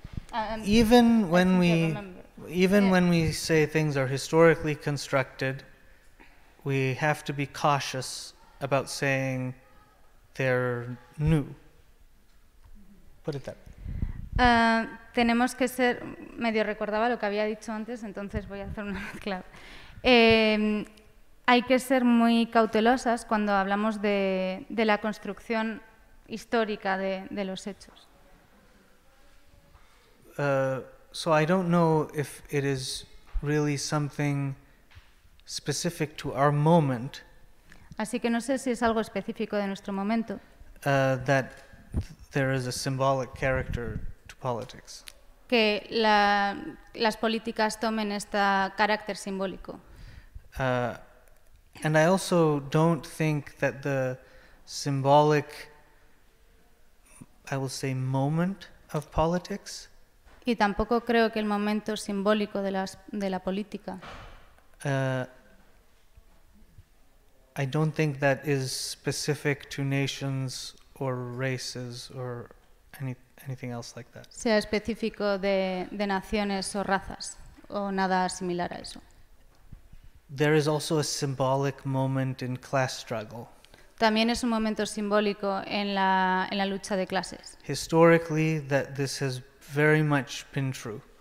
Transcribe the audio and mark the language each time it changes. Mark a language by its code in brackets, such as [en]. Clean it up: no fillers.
[en] When we say things are historically constructed, we have to be cautious about saying they're new. Put it that way. [es] Tenemos que ser, medio recordaba lo que había dicho antes, entonces voy a hacer una mezcla. Hay que ser muy cautelosas cuando hablamos de la construcción histórica de los hechos. [en] So I don't know if it is really something specific to our moment. [es] Así que no sé si es algo específico de nuestro momento. [en] That there is a symbolic character to politics. [es] Que las políticas tomen este carácter simbólico. [en] And I also don't think that the symbolic, I will say, moment of politics. [es] Y tampoco creo que el momento simbólico de la política. [en] I don't think that is specific to nations or races or anything else like that. [es] Sea específico de naciones o razas o nada similar a eso. [en] There is also a symbolic moment in class struggle. [es] También es un momento simbólico en la lucha de clases. [en] Historically, that this has very much been true.